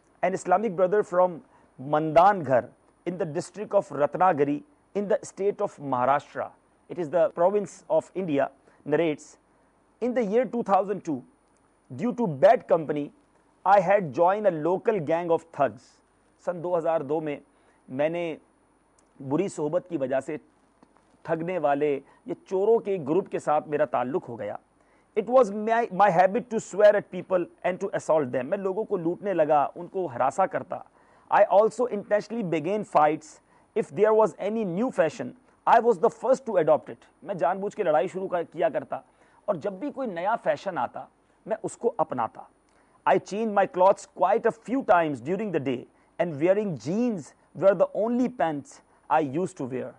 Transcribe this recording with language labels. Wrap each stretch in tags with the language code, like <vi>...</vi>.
<en>An Islamic brother from Mandangad in the district of Ratnagiri in the state of Maharashtra, it is the province of India, narrates, in the year 2002 due to bad company I had joined a local gang of thugs.</en> <ur>سن 2002 میں میں نے بری صحبت کی وجہ سے ٹھگنے والے یا چوروں کے گروپ کے ساتھ میرا تعلق ہو گیا.</ur> <en>It was my habit to swear at people and to assault them.</en> <ur>میں لوگوں کو لوٹنے لگا, ان کو ہراسا کرتا.</ur> <en>I also intentionally began fights. If there was any new fashion, I was the first to adopt it.</en> <ur>میں جان بوجھ کے لڑائی شروع کیا کرتا, اور جب بھی کوئی نیا فیشن آتا میں اس کو اپناتا.</ur> <en>I change my clothes quite a few times during the day and wearing jeans were the only pants I used to wear.</en>